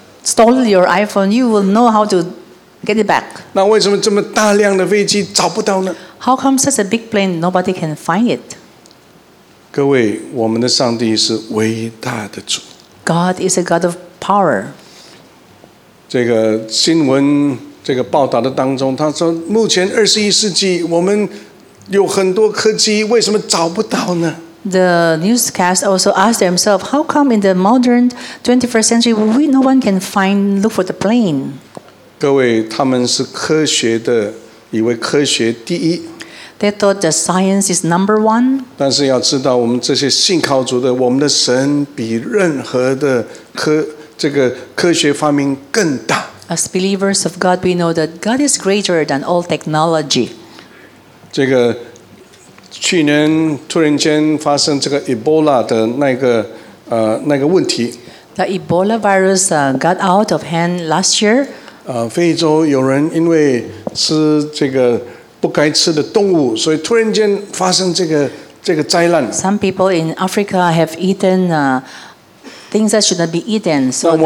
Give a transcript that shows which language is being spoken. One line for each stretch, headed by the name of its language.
English: If somebody stole your iPhone, you will know how to get it back.
Chinese: 那为什么这么大量的飞机找不到呢？
English: How come such a big plane nobody can find it?
Chinese: 各位，我们的上帝是伟大的主。
English: God is a God of power.
Chinese: 这个新闻这个报道的当中，他说目前21世纪我们有很多科技，为什么找不到呢？
English: The newscast also asked themselves, how come in the modern 21st century no one can look for the plane?
Chinese: 各位，他们是科学的，以为科学第一。
English: They thought that science is number one.
Chinese: 但是要知道，我们这些信靠主的，我们的神比任何的科学发明更大。
English: As believers of God, we know that God is greater than all technology.
Chinese: 这个去年突然间发生这个 Ebola 的那个问题。
English: The Ebola virus got out of hand last year.
Chinese: 非洲有人因为吃这个。不该吃的动物，所以突然间发生这个这个灾难。
English: Some people in Africa have eaten things that should not be eaten, so the